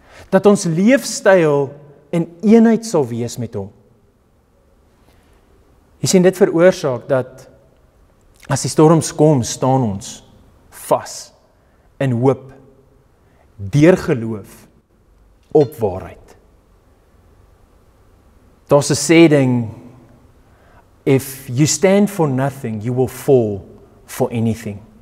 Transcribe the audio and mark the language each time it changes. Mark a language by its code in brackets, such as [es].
[af] Dat ons leefstyl in eenheid sal wees met hom. Jy sien, dit veroorsaak dat as die storms kom, staan ons vas in hoop, deur geloof, op waarheid. Daar's 'n sê ding, [en] if you stand for nothing, you will fall for anything.